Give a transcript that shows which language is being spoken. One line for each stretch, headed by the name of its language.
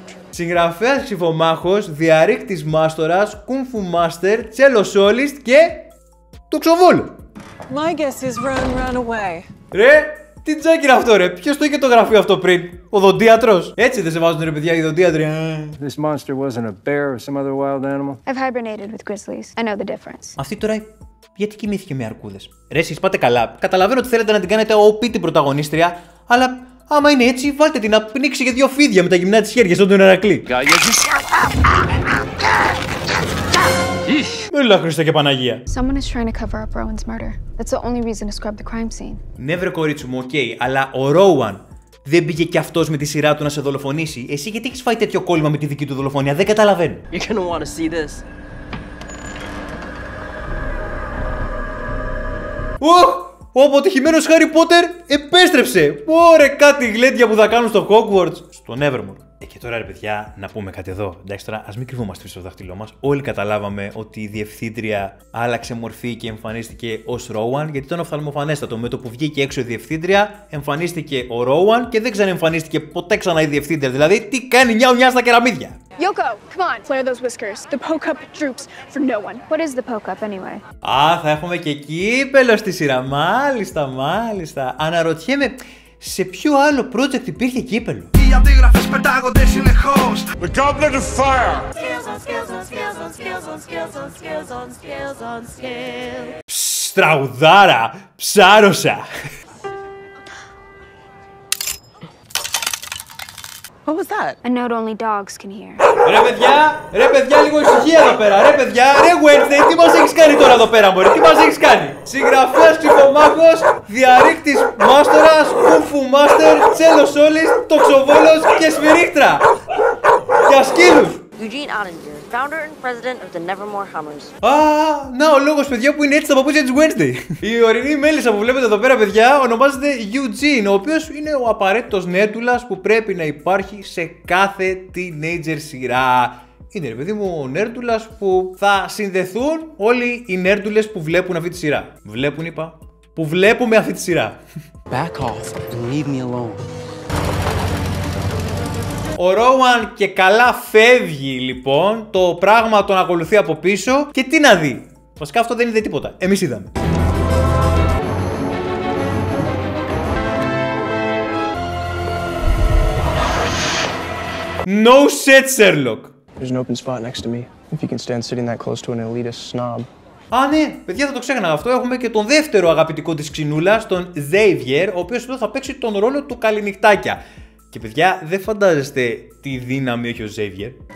Greek: Συγγραφέας ξυφομάχος, διαρρήκτης μάστορας, κούμφου μάστερ, τσέλο σόλιστ και... τοξοβόλου!
English: My guess is run away.
Greek: Ρε, τι τζάκι είναι αυτό ρε, ποιος το είχε το γραφείο αυτό πριν, ο δοντίατρος? Έτσι δεν σε βάζουν ρε παιδιά οι δοντίατροι.
English: This monster wasn't a bear or some other wild animal. I've hibernated with grizzlies, I know the difference.
Greek: Αυτή τώρα, γιατί κοιμήθηκε με αρκούδες? Ρε, εσείς πάτε καλά, καταλαβαίνω ότι θέλετε να την κάνετε OP την πρωταγωνίστρια, αλλά... άμα είναι έτσι, βάλτε την να πνίξει για δύο φίδια με τα γυμνά της χέρια στον τον Ερακλή. Έλα Χριστέ και Παναγία.
English: Someone is trying to cover up Rowan's murder. That's the only reason to scrub the crime scene.
Greek: Ναι βρε κορίτσι μου, οκ, αλλά ο Rowan δεν πήγε κι αυτός με τη σειρά του να σε δολοφονήσει. Εσύ γιατί έχεις φάει τέτοιο κόλλημα με τη δική του δολοφονία, δεν καταλαβαίνω.
English: You're gonna wanna see this.
Greek: Αποτυχημένος Χάρι Πότερ επέστρεψε! Ωρε κάτι γλέντια που θα κάνουν στο Hogwarts! Στο Nevermore. Και τώρα ρε παιδιά, να πούμε κάτι εδώ. Εντάξει τώρα, ας μην κρυβόμαστε πίσω στο δάχτυλό μας. Όλοι καταλάβαμε ότι η διευθύντρια άλλαξε μορφή και εμφανίστηκε ως Rowan, γιατί ήταν οφθαλμοφανέστατο. Με το που βγήκε έξω η διευθύντρια, εμφανίστηκε ο Rowan και δεν ξανεμφανίστηκε ποτέ ξανά η διευθύντρια. Δηλαδή, τι κάνει νιάου-νιά στα κεραμίδια!
English: Yoko, come on, flare those whiskers. The poke up droops for no one. What is the poke up anyway?
Greek: Α, θα έχουμε και κύπελο στη σειρά. Μάλιστα, μάλιστα. Αναρωτιέμαι, σε ποιο άλλο project υπήρχε κύπελο? Οι αντίγραφες πετάγονται συνεχώς.
English: The Goblet of Fire.
Greek: Στραουδάρα, ψάρωσα.
English: What was that? A note only dogs can hear.
Greek: Ρε παιδιά, λίγο ησυχία εδώ πέρα. Ρε παιδιά, ρε Wednesday, τι μας έχεις κάνει τώρα εδώ πέρα, μωρέ, τι μας έχεις κάνει? Συγγραφέας ξυφομάχος, διαρρήκτης μάστορας, κούφου μάστερ, τσέλο σόλις, τοξοβόλος και σφυρίχτρα. Για σκύλους.
English: Eugene Ottinger, founder and president of the Nevermore Hummers.
Greek: Α, να ο λόγος παιδιά που είναι έτσι τα παπούτσια της Wednesday. Η ορεινή μέλισσα που βλέπετε εδώ πέρα παιδιά ονομάζεται Eugene, ο οποίος είναι ο απαραίτητος νέρτουλας που πρέπει να υπάρχει σε κάθε teenager σειρά. Είναι ρε παιδί μου ο νέρτουλας που θα συνδεθούν όλοι οι νέρτουλες που βλέπουν αυτή τη σειρά. Βλέπουν είπα, που βλέπουμε αυτή τη σειρά.
English: Back off and leave me alone.
Greek: Ο Rowan και καλά φεύγει λοιπόν, το πράγμα τον ακολουθεί από πίσω και τι να δει. Βασικά αυτό δεν είδε τίποτα, εμείς είδαμε.
English: No shit, Sherlock. There's an open spot next to me, if you can stand sitting that close to an elitist snob.
Greek: Α, ναι, παιδιά, θα το ξέχναγα αυτό. Έχουμε και τον δεύτερο αγαπητικό της ξινούλας, τον Xavier, ο οποίος εδώ θα παίξει τον ρόλο του καληνυχτάκια. Και παιδιά, δεν φαντάζεστε τι δύναμη έχει ο Xavier.